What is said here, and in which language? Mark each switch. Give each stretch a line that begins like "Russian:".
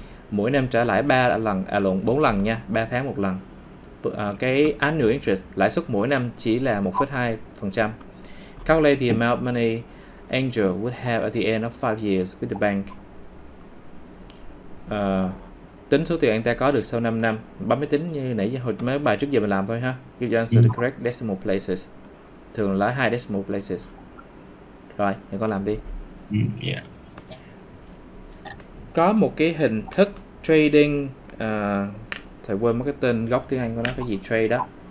Vietnamese: mỗi năm trả lãi 3 lần, à lộn 4 lần nha, 3 tháng một lần. Cái annual interest, lãi suất mỗi năm chỉ là 1,2%.
English: Calculate the amount money Angel would have at the end of 5 years with the bank.
Vietnamese: Tính số tiền anh ta có được sau 5 năm. Bấm máy tính như nãy hồi mấy bài trước giờ mình làm thôi ha.
English: Give the answer the correct decimal places.
Vietnamese: Thường là
English: 2 decimal places.
Vietnamese: Rồi, mình con làm đi. Có một cái hình thức trading, thầy quên mất cái tên gốc tiếng Anh của nó, cái gì trade đó.